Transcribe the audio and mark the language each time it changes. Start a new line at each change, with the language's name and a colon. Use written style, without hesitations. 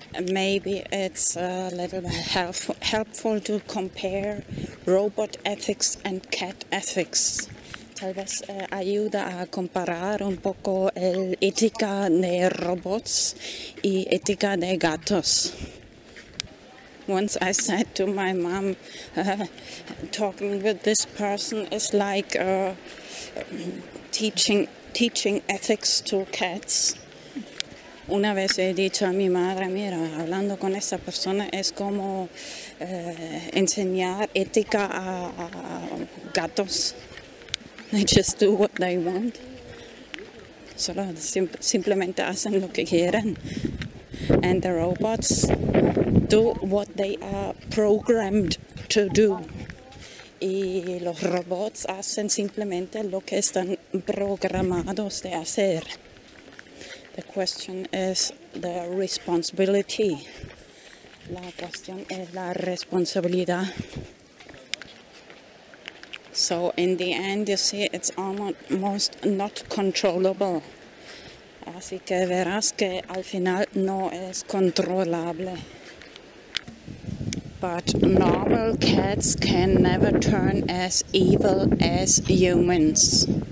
English: Maybe it's a little bit helpful to compare robot ethics and cat ethics.
Spanish: Tal vez ayuda a comparar un poco el ética de robots y ética de gatos.
English: Once I said to my mom, talking with this person is like teaching ethics to cats.
Spanish: Una vez he dicho a mi madre, mira, hablando con esa persona es como enseñar ética a gatos.
English: They just do what they want.
Spanish: Solo simplemente hacen lo que quieren.
English: And the robots do what they are programmed to do.
Spanish: Y los robots hacen simplemente lo que están programados de hacer.
English: The question is the responsibility.
Spanish: La cuestión es la responsabilidad.
English: So in the end, you see, it's almost not controllable.
Spanish: Así que verás que al final no es controlable.
English: But normal cats can never turn as evil as humans.